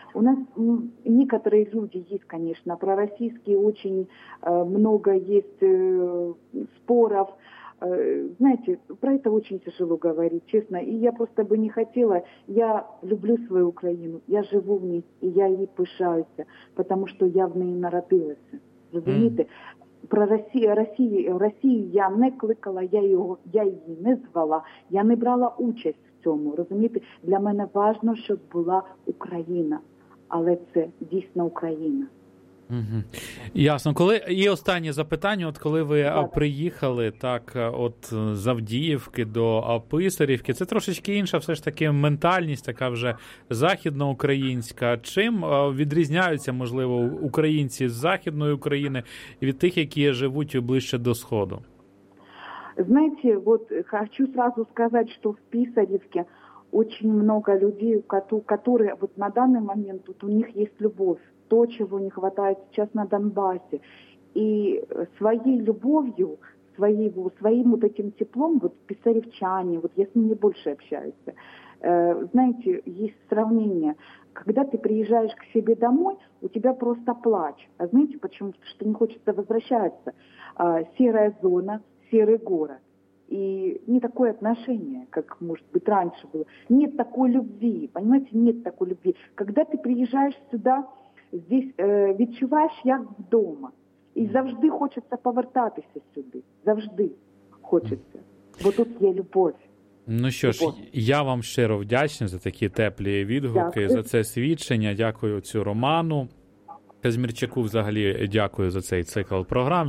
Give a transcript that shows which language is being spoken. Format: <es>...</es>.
<ru>У нас некоторые люди есть, конечно, пророссийские, очень много есть споров. Знаете, про это очень тяжело говорить, честно. И я просто бы не хотела. Я люблю свою Украину, я живу в ней, и я ей пышаюсь, потому что я в ней народилась. Разумеете? Про Россию я не кликала,</ru> <uk>я її не звала, я не брала участь в цьому, розумієте? Для мене важливо, щоб була Україна, але це дійсно Україна. Ясно. І останнє запитання, от коли ви приїхали так от з Авдіївки до Писарівки, це трошечки інша все ж таки ментальність, така вже західноукраїнська. Чим відрізняються, можливо, українці з Західної України від тих, які живуть ближче до Сходу? Знаєте, от хочу сразу сказати, що в Писарівці дуже багато людей, які от на даний момент тут у них є любов.</uk> <ru>То, чего не хватает сейчас на Донбассе. И своей любовью, своим вот этим теплом, вот писаревчане, вот я с ними больше общаюсь. Знаете, есть сравнение. Когда ты приезжаешь к себе домой, у тебя просто плач. А знаете почему? Потому что не хочется возвращаться. Серая зона, серый город. И не такое отношение, как, может быть, раньше было. Нет такой любви, понимаете, нет такой любви. Когда ты приезжаешь сюда, здесь</ru> <uk>відчуваєш як вдома. І завжди хочеться повертатися сюди. Завжди хочеться. Бо тут є любов. Я вам щиро вдячний за такі теплі відгуки, дякую. За це свідчення. Дякую цю Роману Казмірчаку. Взагалі дякую за цей цикл програм.</uk>